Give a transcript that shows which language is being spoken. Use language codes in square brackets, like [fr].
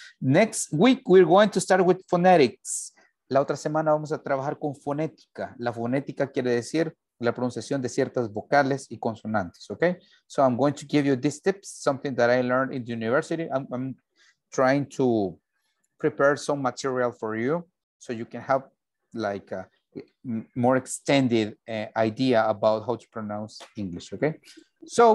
[en] Next week, we're going to start with phonetics. [es] La otra semana vamos a trabajar con fonética. La fonética quiere decir la pronunciación de ciertas vocales y consonantes, okay? [en] So I'm going to give you these tips, something that I learned in the university. I'm trying to prepare some material for you so you can have like a more extended idea about how to pronounce English, okay? So,